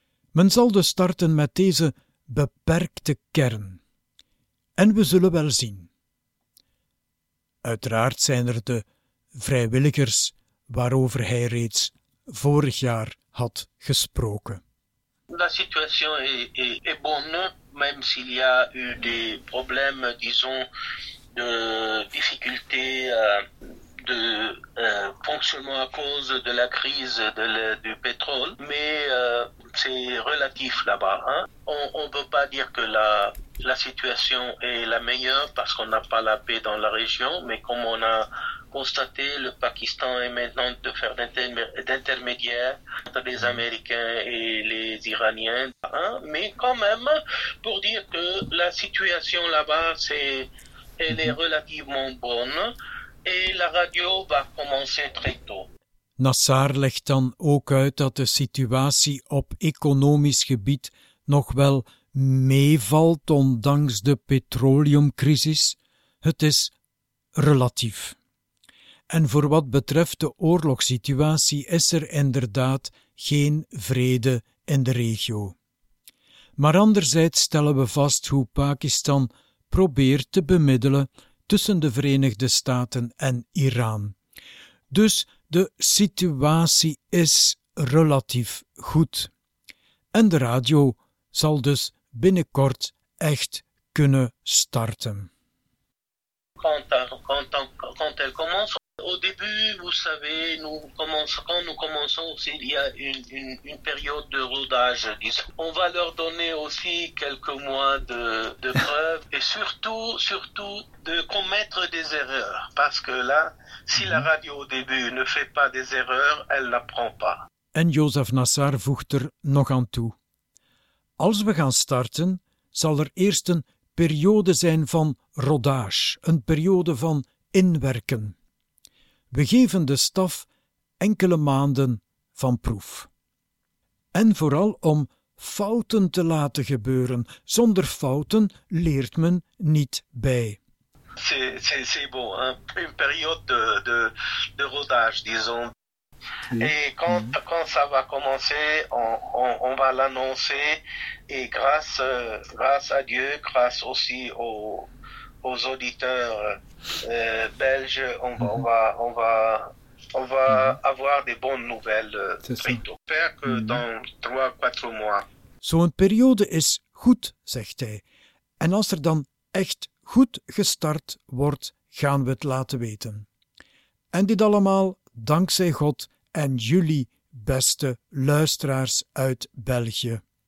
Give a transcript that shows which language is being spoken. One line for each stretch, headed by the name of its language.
Dutch: Men zal dus starten met deze beperkte kern. En we zullen wel zien. Uiteraard zijn er de vrijwilligers waarover hij reeds vorig jaar had gesproken.
French: La situation est bonne, même s'il y a eu des problèmes, disons, de difficultés de fonctionnement à cause de la crise du pétrole, mais c'est relatif là-bas. Hein. On ne peut pas dire que la situation est la meilleure parce qu'on n'a pas la paix dans la région, mais comme on a constaté, le Pakistan est maintenant de faire d'intermédiaire entre les Américains et les Iraniens. Hein. Mais quand même, pour dire que la situation là-bas, elle est relativement bonne et la radio va commencer très tôt.
Dutch: Nassar legt dan ook uit dat de situatie op economisch gebied nog wel meevalt ondanks de petroleumcrisis. Het is relatief. En voor wat betreft de oorlogssituatie is er inderdaad geen vrede in de regio. Maar anderzijds stellen we vast hoe Pakistan probeert te bemiddelen tussen de Verenigde Staten en Iran. Dus de situatie is relatief goed. En de radio zal dus binnenkort echt kunnen starten.
French: Quand elle commence, au début, vous savez, quand nous commençons aussi, il y a une période de rodage. On va leur donner aussi quelques mois de preuves et surtout de commettre des erreurs. Parce que là, si la radio au début ne fait pas des erreurs, elle n'apprend pas.
Dutch: En Joseph Nassar voegt er nog aan toe. Als we gaan starten, zal er eerst een periode zijn van rodage, een periode van inwerken. We geven de staf enkele maanden van proef. En vooral om fouten te laten gebeuren. Zonder fouten leert men niet bij.
French: C'est bon, hein? Une période de rodage, disons. Et quand ça va commencer, on va l'annoncer. Et grâce à Dieu, grâce aussi aux auditeurs belges, on va avoir des bonnes nouvelles très tôt. J'espère que dans 3-4 mois.
Dutch: Zo'n periode is goed, zegt hij. En als er dan echt goed gestart wordt, gaan we het laten weten. En dit allemaal dankzij God. En jullie, beste luisteraars uit België.